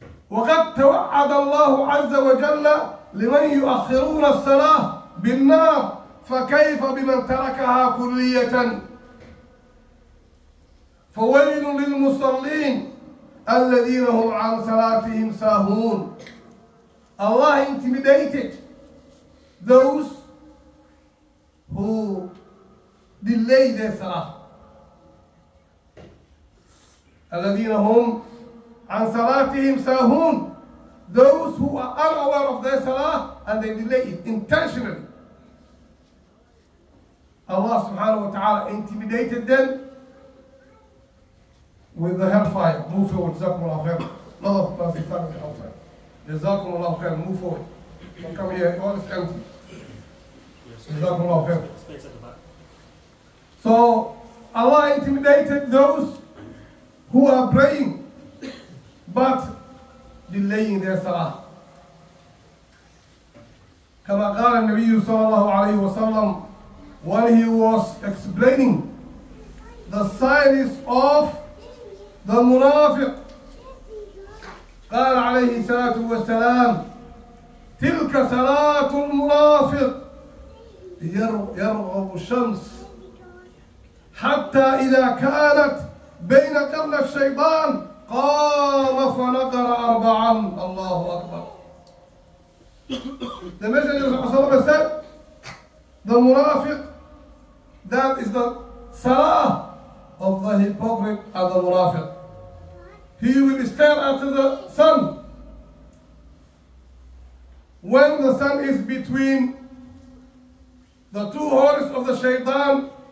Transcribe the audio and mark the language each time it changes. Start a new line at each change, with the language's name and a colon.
Arabic: وقد توعد الله عز وجل لمن يؤخرون الصلاة بالنار فكيف بمن تركها كلية فويل للمصلين الذين هم عن صلاتهم ساهون.
English: Allah intimidated those who delay their salah.
Arabic: الذين هم عن صلاتهم ساهون.
English: Those who are unaware of their salah and they delay it intentionally. Allah subhanahu wa ta'ala intimidated them with the hellfire. Move forward.
Arabic: جزاكم الله خير.
English: Love of plastic fire with hellfire.
Arabic: جزاكم الله خير.
English: Move forward. Don't come here. All is empty. جزاكم الله خير. So Allah intimidated those who are praying but delaying their salah.
Arabic: كما قال النبي صلى الله عليه وسلم
English: when he was explaining the signs of the
Arabic: منافق قال عليه الصلاة والسلام تلك صلاة المنافق يرغب الشمس حتى إذا كانت بين قرن الشيطان قام فنقر أربعا. الله أكبر.
English: The messenger of Allah said the منافق, that is the salah of the hypocrite and the منافق. He will stare at the sun when the sun is between the two horns of the shaitan.